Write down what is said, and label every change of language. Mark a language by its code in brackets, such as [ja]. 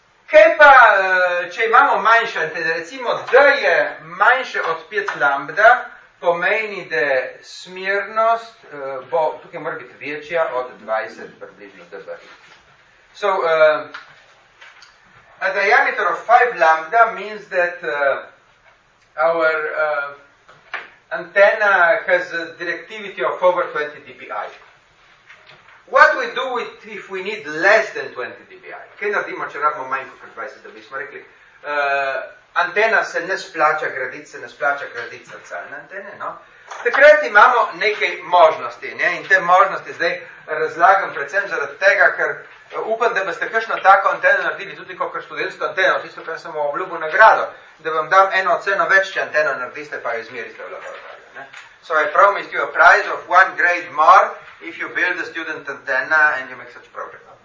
[sl] Kaj pa, če imamo manjše antene, recimo D je manjše od 5 lambda, pomeni, da smernost bo tukaj mora biti večja od 20 približno dB. [en] So, a diameter of 5 lambda means that our antenna has a directivity of over 20 dBi. What we do if we need less than 20 dBi? [sl] Kaj naredimo, če rabimo manj kot 20 dBi? Smo rekli, antena se ne splača graditi, se ne splača graditi zrcalne antene, no? Takrat imamo neke možnosti, ne? In te možnosti zdaj razlagam predvsem zaradi tega, ker upam, da boste kakšno tako anteno naredili, tudi kot študentsko anteno, tisto, kar sem obljubil nagrado, da vam dam eno oceno več, če anteno naredite, pa jo izmerite v laboratoriju. [en] So I promise you a prize of one grade more if you build a student antenna and you make such progress.